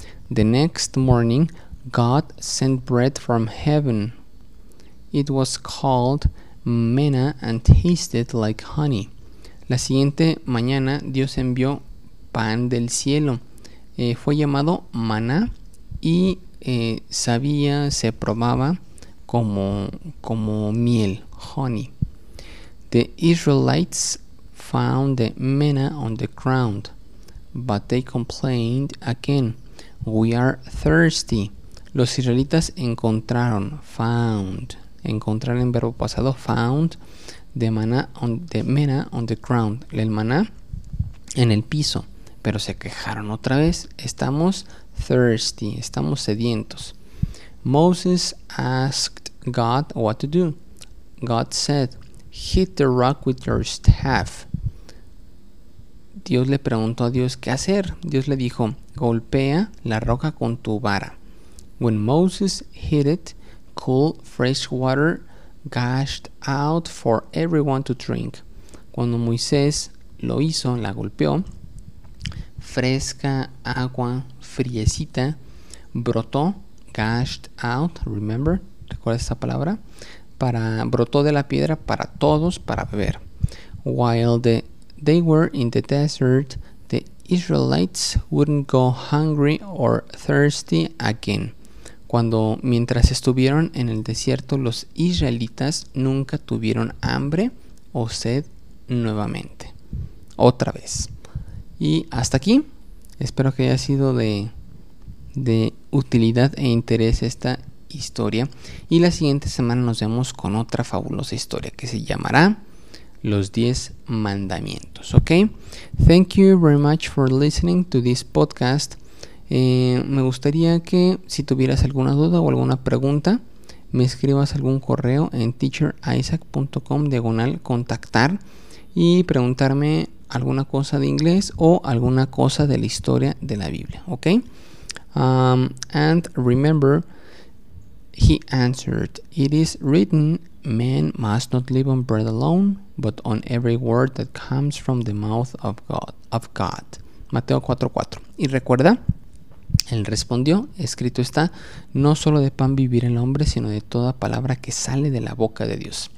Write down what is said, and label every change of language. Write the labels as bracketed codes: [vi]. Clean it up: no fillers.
[en] The next morning, God sent bread from heaven. It was called manna and tasted like honey. [es] La siguiente mañana, Dios envió pan del cielo. Fue llamado maná y se probaba como miel, honey. [en] The Israelites found the manna on the ground, but they complained again. We are thirsty. [es] Los israelitas encontrar en verbo pasado, [en] found the manna on the ground, [es] el maná en el piso, pero se quejaron otra vez, estamos [en] thirsty, [es] estamos sedientos. [en] Moses asked God what to do. God said, hit the rock with your staff. [es] Dios le preguntó a Dios qué hacer. Dios le dijo, golpea la roca con tu vara. [en] When Moses hit it, cool fresh water gushed out for everyone to drink. [es] Cuando Moisés lo hizo, la golpeó, fresca agua friecita brotó, [en] gushed out, remember, [es] recuerda esta palabra, para brotó de la piedra para todos para beber. [en] While they were in the desert, the Israelites wouldn't go hungry or thirsty again. [es] Cuando mientras estuvieron en el desierto, los israelitas nunca tuvieron hambre o sed nuevamente. Otra vez. Y hasta aquí. Espero que haya sido de utilidad e interés esta historia. Y la siguiente semana nos vemos con otra fabulosa historia que se llamará Los 10 Mandamientos. ¿Ok? [en] Thank you very much for listening to this podcast. [es] Me gustaría que si tuvieras alguna duda o alguna pregunta, me escribas algún correo en teacherisaac.com/contactar y preguntarme alguna cosa de inglés o alguna cosa de la historia de la Biblia, ¿ok? [en] And remember, he answered, it is written, man must not live on bread alone, but on every word that comes from the mouth of God. [es] Mateo 4:4. Y recuerda, Él respondió, escrito está, no solo de pan vivirá el hombre, sino de toda palabra que sale de la boca de Dios.